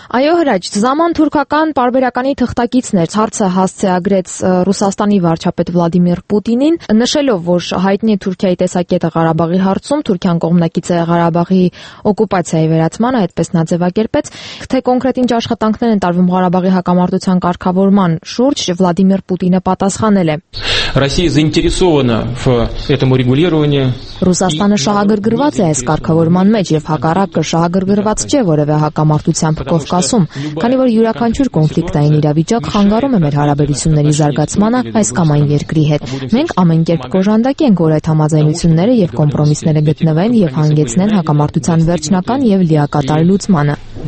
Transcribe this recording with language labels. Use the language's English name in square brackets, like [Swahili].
[Armenian] Այո, հրաճ, Զաման թուրքական պարբերականի թղթակիցներ հարցը հասցեագրեց Ռուսաստանի վարչապետ Վլադիմիր Պուտինին, նշելով, որ հայտնի Թուրքիայի տեսակետը Ղարաբաղի հարցում, Թուրքիան կողմնակից է Ղարաբաղի օկուպացիայի վերացմանը, այդպես նա ձևակերպեց, թե կոնկրետ ինչ աշխատանքներ են տարվում Ղարաբաղի հակամարտության կարգավորման շուրջ, Վլադիմիր Պուտինը պատասխանել է. [Russian] Россия заинтересована в этом урегулировании. [Armenian] Ռուսաստանը շահագրգռված է այս կարգավորման մեջ, եւ հակառակը շահագրգռված չէ որևէ հակամարտությամբ Կովկասում, քանի որ յուրաքանչյուր կոնֆլիկտային իրավիճակ խանգարում է մեր հարաբերությունների զարգացմանը այս կամ այն երկրի հետ։ Մենք ամեն կերպ կօժանդակենք, որ այդ համաձայնությունները եւ կոմպրոմիսները գտնվեն եւ հանգեցնեն հակամարտության վերջնական եւ լիակատար լուծմանը։